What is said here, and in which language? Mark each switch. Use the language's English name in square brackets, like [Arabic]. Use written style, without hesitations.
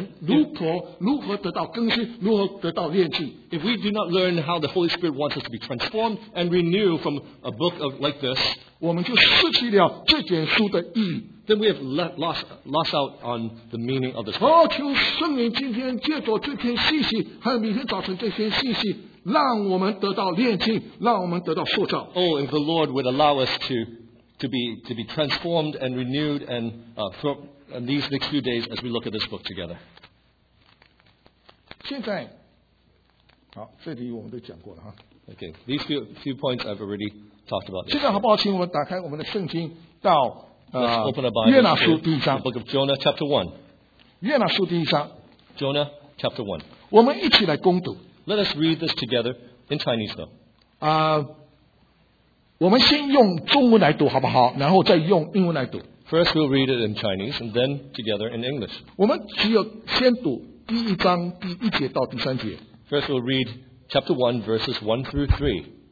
[Chinese] 假如如果我们在这节书没有看到圣灵要对我们所说的我们这个人如何得到更新，如何得到炼净。 [English] If we do not learn how the Holy Spirit wants us to be transformed and renewed from a book of like this, [Chinese] 我们就失去了这节书的意义。 [English] Then we have lost out on the meaning of this book. Oh, and the Lord would allow us to be transformed and renewed and for these next few days as we look at this book together. [Chinese] 现在，好，这里我们都讲过了哈。 [English] Okay, these few points I've already talked about. [Chinese] 现在好不好？请我们打开我们的圣经到。 [English] Let's open a Bible to the book of Jonah, chapter 1. [Chinese] 约拿书第一章, [English] Jonah, chapter 1. [Chinese] 我们一起来攻读, [English] Let us read this together in Chinese, though. [Chinese] 我们先用中文来读好不好? 然后再用英文来读。 [English] First, we'll read it in Chinese, and then together in English. [Chinese] 我们只有先读第一章第一节到第三节。 [English] First, we'll read chapter 1, verses 1 through 3.